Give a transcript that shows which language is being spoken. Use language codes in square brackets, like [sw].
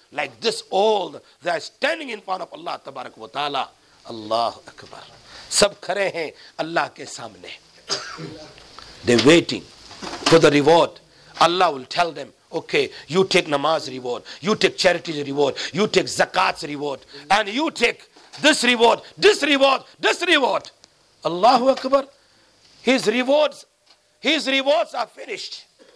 [en] Like this old, they are standing in front of Allah tabarak wa taala. Allah akbar. [ur] سب کھڑے ہیں اللہ کے سامنے. [en] They waiting for the reward. Allah will tell them, okay, you take namaz reward, you take charity reward, you take zakat reward, and you take this reward, this reward, this reward. Allahu Akbar. His rewards are finished.